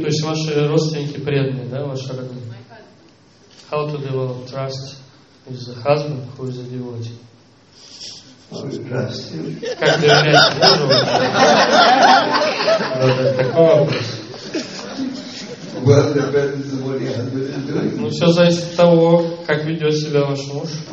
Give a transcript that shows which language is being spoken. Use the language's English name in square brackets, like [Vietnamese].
[Russian] То есть ваши родственники преданы, да, ваши родные? [English] How to develop trust with the husband who is a devotee? [Russian] Как доверять мужу? Вот такой вопрос. [English] Well, depends on what your husband is doing. [Russian] Ну, все зависит от того, как ведет себя ваш муж.